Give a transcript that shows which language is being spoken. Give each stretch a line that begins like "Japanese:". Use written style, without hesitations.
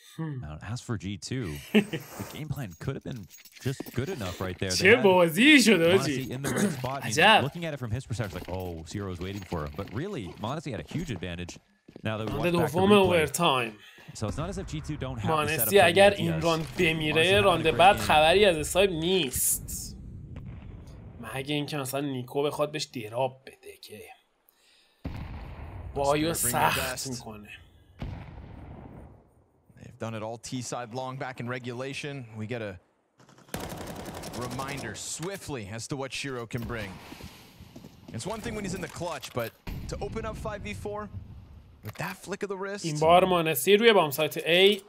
English: Now, as for G2, the game plan could have been just good enough right there.
Persian: چه بازی شده اوجی.
English: In the right spot, he's looking at it from his perspective, like, oh, Ciro's waiting for him. But really, Monesi had a huge advantage. Now that we're watching back the replay. Overtime. So it's not as if G2 don't have Monesi a setup. Monesi,
Persian: اگر این راند بمیره، راند بعد خبری از اسایب نیست. مگه اینکه مثلا نیکو بخواد بهش دراب بده که بایو سخت میکنه.
English: They've done it all T-side long back in regulation. We get a reminder swiftly as to what Shiro can bring. It's one thing when he's in the clutch, but to open up 5v4 with that flick of the wrist.
Persian: این بار مانسی روی بام سایت A.